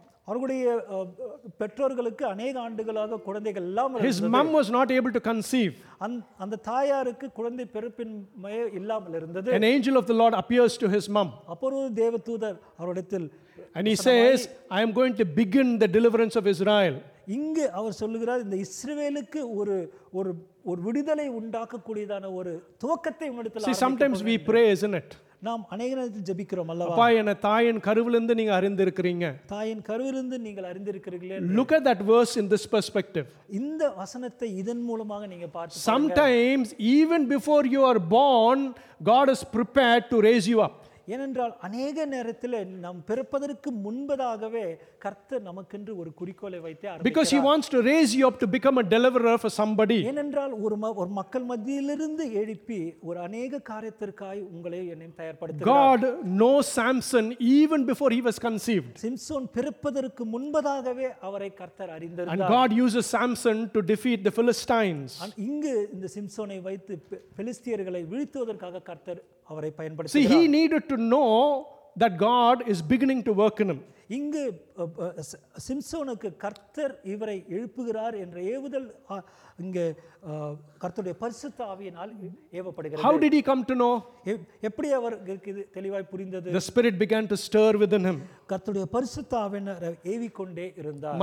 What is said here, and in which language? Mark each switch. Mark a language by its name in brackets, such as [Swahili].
[Tamil] அவருடைய பெற்றோர்களுக்கு அநேக ஆண்டுகளாக குழந்தைகள் இல்லாமல், [English] His mom was not able to conceive. [Tamil] அந்த தாயாருக்கு குழந்தை பிறப்பின்மை இல்லாமல் இருந்தது. [English] An angel of the Lord appears to his mom. [Tamil] அப்பொழுது தேவதூதர் அவரிடத்தில், [English] and he says, I am going to begin the deliverance of Israel. [Tamil] இங்கு அவர் சொல்லுகிறார், இந்த இஸ்ரவேலுக்கு ஒரு ஒரு ஒரு விடுதலை உண்டாக்க கூடியதான ஒரு துவக்கத்தை உங்களுக்கு. [English] See, sometimes we pray, isn't it? [Tamil] நாம் அநேக நேரத்தில் ஜெபிக்கிறோம் அல்லவா? அப்பா, என தாயின் கருவிலிருந்து நீங்க அறிந்திருக்கிறீங்க. தாயின் கருவிலிருந்து நீங்கள் அறிந்திருக்கிறீர்களே. [English] Look at that verse in this perspective. [Tamil] இந்த வசனத்தை இதன் மூலமாக நீங்க பார்த்து, [English] sometimes even before you are born, God is prepared to raise you up. [Tamil] ஏனென்றால் அநேக நேரத்தில் நாம் பிறப்பதற்கு முன்பதாகவே கர்த்தர் நமக்கென்று ஒரு குறிக்கோளை வைத்து ஆரம்பிக்கிறார். [English] Because he wants to raise you up to become a deliverer for somebody. [Tamil] ஏனென்றால் ஒரு மக்கள் மத்தியிலிருந்து எழுப்பி ஒரு அநேக காரியத்திற்காய் உங்களை என்னையும் தயார்படுத்துகிறார். [English] God knows Samson even before he was conceived. [Tamil] Samson பிறப்பதற்கு முன்பதாகவே அவரை கர்த்தர் அறிந்திருந்தார். [English] And God uses Samson to defeat the Philistines. [Tamil] இங்கு இந்த சிம்சோனை வைத்து பிலிஸ்தியர்களை வீழ்த்துவதற்காக கர்த்தர் அவரை பயன்படுத்துகிறார். [English] See, he needed to know that God is beginning to work in him. [Tamil] இங்கு சிம்சோனுக்கு கர்த்தர் இவரை எழுப்புகிறார் என்ற ஏவுதல் இங்கு கர்த்தருடைய பரிசுத்த ஆவியினால் ஏவப்படுகிறது. [English] How did he come to know? [Tamil] எப்படி அவருக்கு தெளிவாய் புரிந்தது? [English] The spirit began to stir within him. [Tamil] கர்த்தருடைய பரிசுத்த ஆவியினால் ஏவி கொண்டே இருந்தார்.